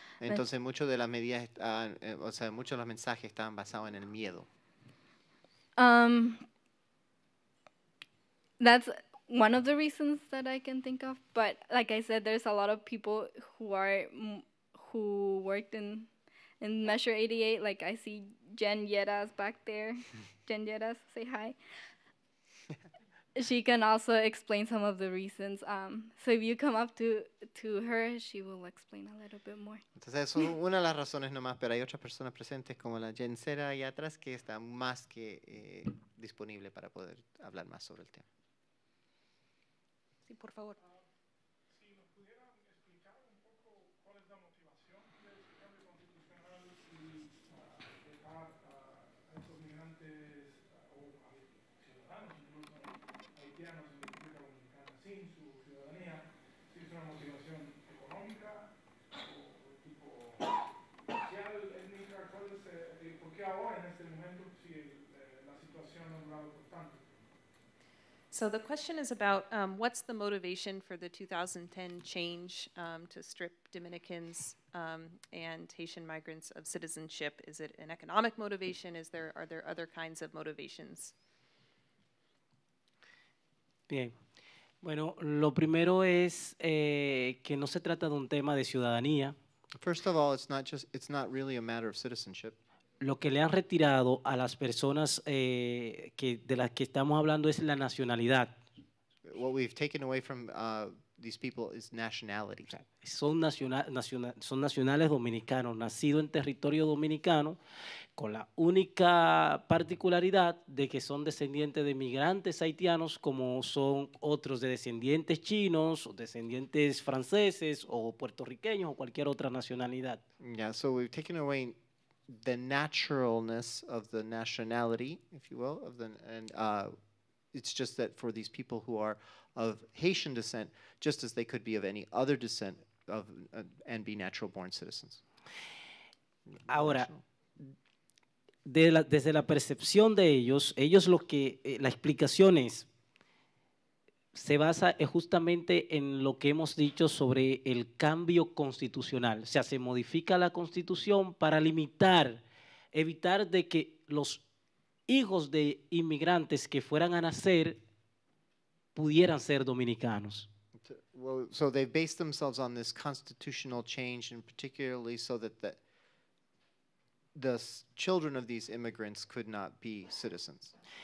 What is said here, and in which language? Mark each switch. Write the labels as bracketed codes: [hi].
[es] entonces mucho de las medidas, o sea, muchos de los mensajes estaban basados en el miedo. [en] That's one of the reasons that I can think of. But like I said, there's a lot of people who worked in Measure 88. Like I see Jen Yeras back there. Jen Yeras, say hi. She can also explain some of the reasons. So if you come up to her, she will explain a little bit more. [es] Entonces, son una de las razones nomás, pero hay otras personas presentes como la Jen Cera allá atrás que está más que disponible para poder hablar más sobre el tema. Sí, por favor. Si nos pudieran explicar un poco cuál es la motivación del cambio constitucional y dejar a estos migrantes o a ciudadanos, incluso haitianos en la República Dominicana sin su ciudadanía, si es una motivación económica o tipo social, étnica, cuál es, ¿por qué ahora en este momento si la situación ha durado por tanto? [en] So the question is about what's the motivation for the 2010 change to strip Dominicans and Haitian migrants of citizenship? Is it an economic motivation? Are there other kinds of motivations? [es] Bien. Bueno, lo primero es que no se trata de un tema de ciudadanía. [en] First of all, it's not really a matter of citizenship. [es] Lo que le han retirado a las personas de las que estamos hablando es la nacionalidad. [en] What we've taken away from these people is nationality. [es] Son nacionales dominicanos, nacidos en territorio dominicano, con la única particularidad de que son descendientes de migrantes haitianos, como son otros de descendientes chinos, o descendientes franceses, o puertorriqueños, o cualquier otra nacionalidad. [en] Yeah, so we've taken away the naturalness of the nationality, if you will, of the and It's just that for these people who are of Haitian descent, just as they could be of any other descent of and be natural born citizens. [es] Ahora, desde la percepción de ellos, ellos lo que la explicación es se basa justamente en lo que hemos dicho sobre el cambio constitucional. O sea, se modifica la constitución para limitar, evitar de que los hijos de inmigrantes que fueran a nacer pudieran ser dominicanos. [en] Well, so they base themselves on this constitutional change, and particularly so that the children of these immigrants could not be citizens.